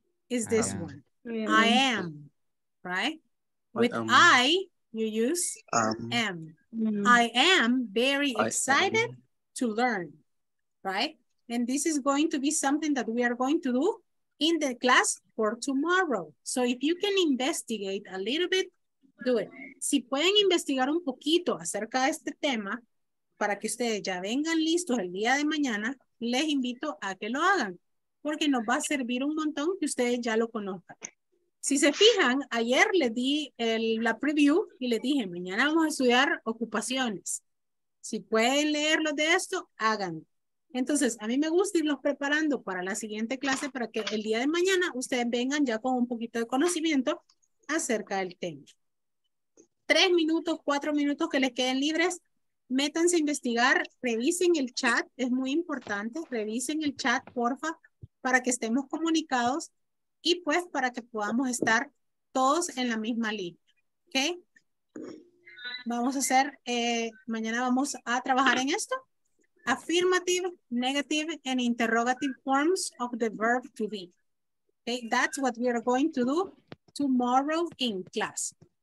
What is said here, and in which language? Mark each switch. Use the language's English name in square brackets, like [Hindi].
[English] Is this one. I am, right? With I, you use am. I am very excited to learn, right? And this is going to be something that we are going to do in the class for tomorrow. So if you can investigate a little bit, do it. [Spanish] Si pueden investigar un poquito acerca de este tema, para que ustedes ya vengan listos el día de mañana, les invito a que lo hagan, porque nos va a servir un montón que ustedes ya lo conozcan. Si se fijan, ayer les di la preview y les dije, mañana vamos a estudiar ocupaciones. Si pueden leerlo de esto, háganlo. Entonces, a mí me gusta irlos preparando para la siguiente clase para que el día de mañana ustedes vengan ya con un poquito de conocimiento acerca del tema. 3 minutos, 4 minutos que les queden libres, métanse a investigar, revisen el chat, es muy importante, revisen el chat, porfa, para que estemos comunicados y pues para que podamos estar todos en la misma línea, ¿ok? Vamos a hacer, mañana vamos a trabajar en esto. [English] Affirmative, negative, and interrogative forms of the verb to be. Okay, that's what we are going to do tomorrow in class.